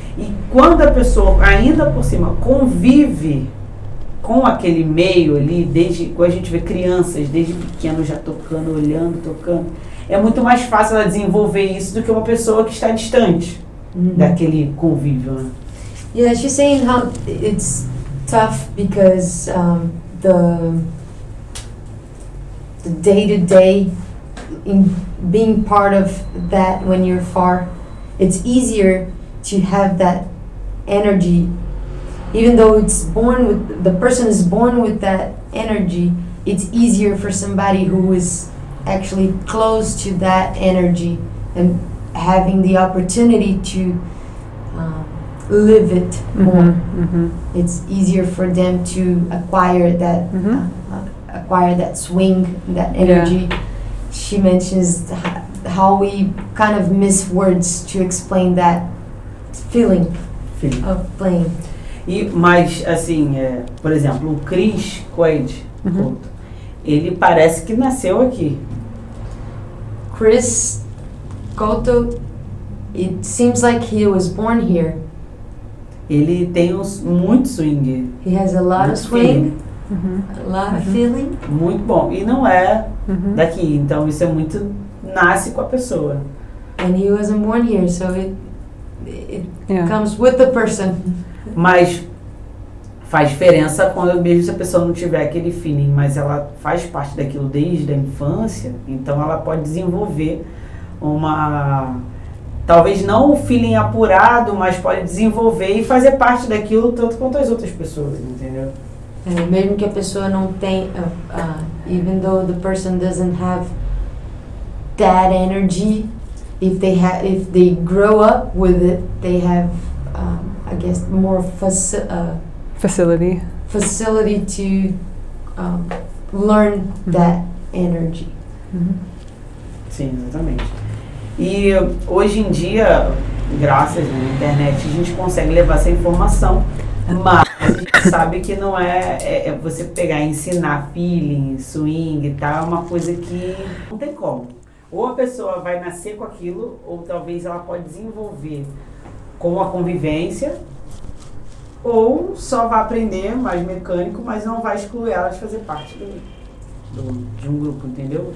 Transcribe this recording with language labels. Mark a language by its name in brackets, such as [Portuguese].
[Portuguese] E quando a pessoa, ainda por cima, convive com aquele meio ali, desde quando a gente vê crianças, desde pequeno já tocando, olhando, tocando, é muito mais fácil ela desenvolver isso do que uma pessoa que está distante. Daquele convívio, né? [English] Yeah, she's saying how it's tough because the day-to-day in being part of that when you're far, it's easier to have that energy. Even though the person is born with that energy, it's easier for somebody who is actually close to that energy and having the opportunity to live it more, mm-hmm. It's easier for them to acquire that, mm-hmm. Acquire that swing, that energy. Yeah. She mentions how we kind of miss words to explain that feeling. Of playing. [Portuguese] E mais assim, por exemplo, o Chris Quaid, ele parece que nasceu aqui. [English] Chris Koto, it seems like he was born here. [Portuguese] Ele tem muito swing. [English] He has a lot of swing, a lot of feeling. [Portuguese] Muito bom. E não é daqui, então isso é muito, nasce com a pessoa. [English] And he wasn't born here, so it comes with the person. [Portuguese] Mas faz diferença quando mesmo se a pessoa não tiver aquele feeling, mas ela faz parte daquilo desde a infância, então ela pode desenvolver uma, talvez não o feeling apurado, mas pode desenvolver e fazer parte daquilo tanto quanto as outras pessoas, entendeu? Mesmo que a pessoa não tem, [English] even though the person doesn't have that energy, if they grow up with it, they have, I guess, more facility to learn that energy. [Portuguese] Sim, exatamente. E hoje em dia, graças à internet, a gente consegue levar essa informação, mas a gente sabe que não é você pegar e ensinar feeling, swing e tal, é uma coisa que não tem como. Ou a pessoa vai nascer com aquilo, ou talvez ela pode desenvolver com a convivência, ou só vai aprender mais mecânico, mas não vai excluir ela de fazer parte de um grupo, entendeu?